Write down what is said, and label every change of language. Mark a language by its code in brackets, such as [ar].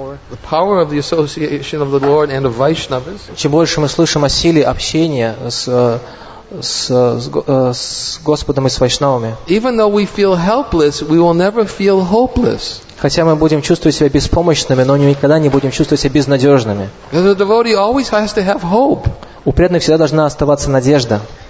[en] the power of the association of the Lord and of Vaishnavas. [ru] Чем больше мы слышим о силе общения с Господом и с Вайшнавами. [en] Even though we feel helpless, we will never feel hopeless. [ru] Хотя мы будем чувствовать себя беспомощными, но никогда не будем чувствовать себя безнадежными. [en] The devotee always has to have hope. [ru] У преданных всегда должна оставаться надежда.